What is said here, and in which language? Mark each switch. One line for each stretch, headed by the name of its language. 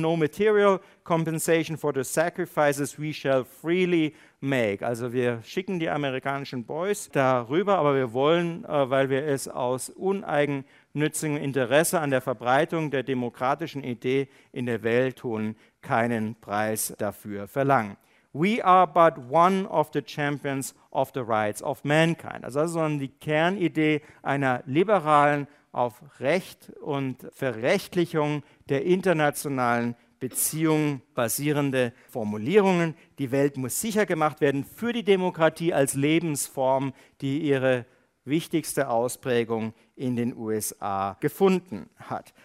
English: No material compensation for the sacrifices we shall freely make.
German: Also wir schicken die amerikanischen Boys darüber, aber wir wollen, weil wir es aus uneigennützigem Interesse an der Verbreitung der demokratischen Idee in der Welt tun, keinen Preis dafür verlangen.
English: We are but one of the champions of the rights of mankind.
German: Also das ist sondern die Kernidee einer liberalen auf Recht und Verrechtlichung der internationalen Beziehungen basierende Formulierungen. Die Welt muss sicher gemacht werden für die Demokratie als Lebensform, die ihre wichtigste Ausprägung in den USA gefunden hat.